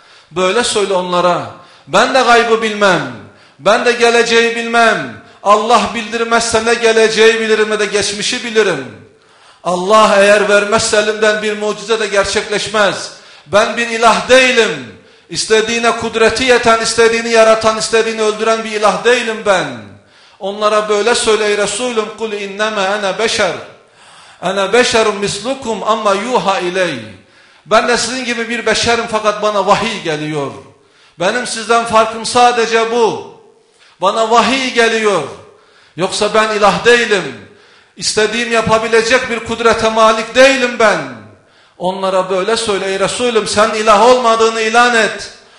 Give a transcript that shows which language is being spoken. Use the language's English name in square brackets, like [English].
[Turkish] Böyle söyle onlara, ben de gaybı bilmem, ben de geleceği bilmem. Allah bildirmezse ne geleceği bilirim ne de geçmişi bilirim. Allah eğer vermezse elimden bir mucize de gerçekleşmez. Ben bir ilah değilim. İstediğine kudreti yeten, istediğini yaratan, istediğini öldüren bir ilah değilim ben. Onlara böyle söyle ey Resulüm, [Arabic] قُلْ اِنَّمَا اَنَا بَشَرٌ اَنَا بَشَرٌ مِسْلُكُمْ اَمَّا يُوْحَا اِلَيْهِ. [Turkish] Ben de sizin gibi bir beşerim fakat bana vahiy geliyor. Benim sizden farkım sadece bu. Bana vahiy geliyor. Yoksa ben ilah değilim. İstediğim yapabilecek bir kudrete malik değilim ben. Onlara böyle söyle ey Resulüm, sen ilah olmadığını ilan et.